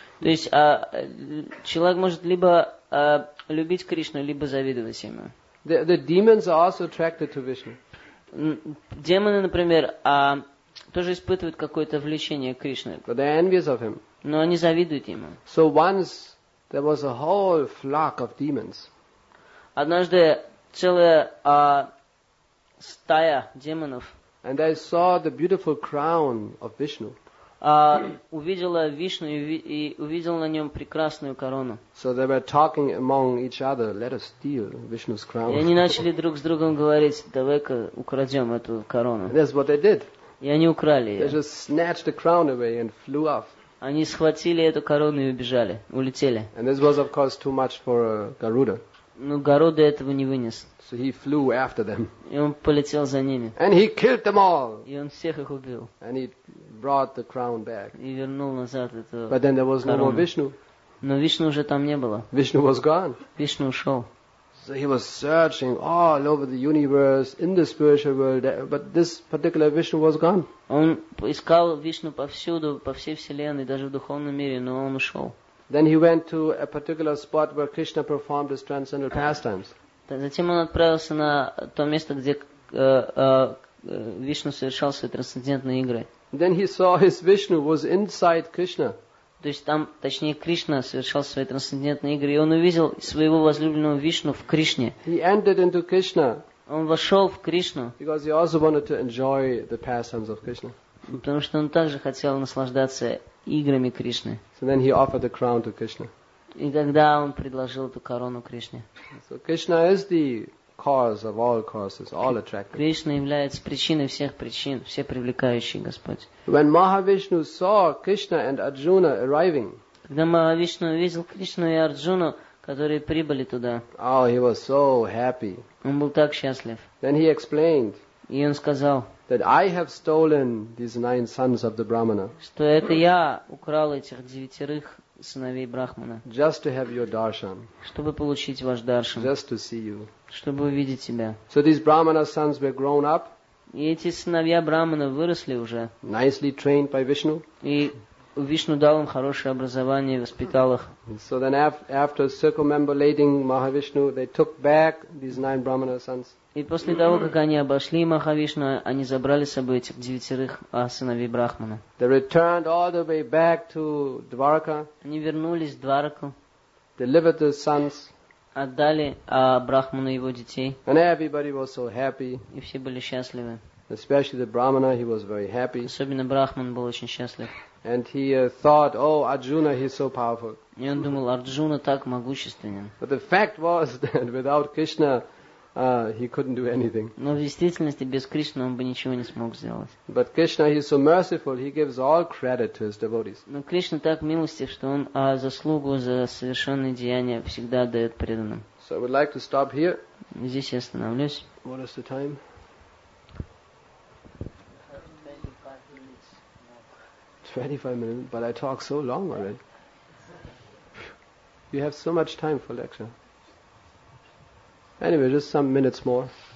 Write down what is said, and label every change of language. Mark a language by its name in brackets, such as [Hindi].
[Russian] То есть человек может либо любить Кришну, либо завидовать ему. [English] The demons are also attracted to Vishnu. [Russian] Демоны, например, тоже испытывают какое-то влечение к Кришне. [English] But they are envious of him. [Russian] Но они завидуют ему. [English] So once there was a whole flock of demons. [Russian] Однажды целая стая демонов. [English] And they saw the beautiful crown of Vishnu. [Russian] Увидела Вишну и увидела на нем прекрасную корону. [English] So they were talking among each other, let us steal Vishnu's crown. [Russian] И они начали друг с другом говорить, давай-ка украдем эту корону. [English] That's what they did. [Russian] И они украли ее. [English] They just snatched the crown away and flew off. [Russian] Они схватили эту корону и убежали, улетели. [English] And this was of course too much for Garuda. [Russian] Но Гаруда этого не вынес. [English] So he flew after them. [Russian] И он полетел за ними. [English] And he killed them all. [Russian] И он всех их убил. [English] And he brought the crown back. [Russian] И вернул назад эту корону. [English] But then there was no more Vishnu. [Russian] Но Вишну уже там не было. [English] Vishnu was gone. [Russian] Вишну ушел. [English] So he was searching all over the universe, in the spiritual world, but this particular Vishnu was gone. [Russian] Он искал Вишну повсюду, по всей вселенной, даже в духовном мире, но он ушел. [English] Then he went to a particular spot where Krishna performed his transcendental pastimes. [Russian] Затем он отправился на то место, где Вишну совершал свои трансцендентные игры. [English] Then he saw his Vishnu was inside Krishna. [Russian] То есть там, точнее, Кришна совершал свои трансцендентные игры, и он увидел своего возлюбленного Вишну в Кришне. [English] He entered into Krishna. [Russian] Он вошел в Кришну. [English] Because he also wanted to enjoy the pastimes of Krishna. [Russian] Потому что он также хотел наслаждаться играми Кришны. [English] So then he offered the crown to Krishna. [Russian] И тогда он предложил эту корону Кришне. [English] So Krishna is the cause of all causes, all attractive. [Russian] Кришна является причиной всех причин, все привлекающие Господь. [English] When Mahavishnu saw Krishna and Arjuna arriving. [Russian] Когда Махавишну увидел Кришну и Арджуну, которые прибыли туда. [English] Oh, he was so happy. [Russian] Он был так счастлив. [English] Then he explained. [Russian] И он сказал. [English] That I have stolen these 9 sons of the Brahmana. [Russian] Что это я украл этих девятерых сыновей Брахмана. [English] Just to have your darshan. [Russian] Чтобы получить ваш даршан. [English] Just to see you. [Russian] Чтобы увидеть тебя. [English] So these Brahmana sons were grown up. [Russian] И эти сыновья Брахмана выросли уже. [English] Nicely trained by Vishnu. [Russian] И Вишну дал им хорошее образование, воспитал их. [English] So then after circumambulating Mahavishnu, they took back these 9 Brahmana sons. [Russian] И после того, как они обошли Махавишну, они забрали с собой этих девятерых сыновей Брахмана. [English] They returned all the way back to Dwarka. [Russian] Они вернулись в Двараку. [English] Delivered the sons. [Russian] Отдали Брахману его детей. [English] And everybody was so happy. [Russian] И все были счастливы. [English] Especially the Brahmana, he was very happy. [Russian] Особенно Брахман был очень счастлив. [English] And he thought, oh, Arjuna, he's so powerful. [Russian] И он думал, Арджуна так могущественен. [English] But the fact was that without Krishna, he couldn't do anything. [Russian] Но в действительности без Кришны он бы ничего не смог сделать. [English] But Krishna, he's so merciful, he gives all credit to his devotees. [Russian] Но Кришна так милостив, что он заслугу за совершенные деяния всегда дает преданным. [English] So I would like to stop here. [Russian] Здесь я остановлюсь. [English] What is the time? 25 minutes, but I talk so long already. You have so much time for lecture. Anyway, just some minutes more.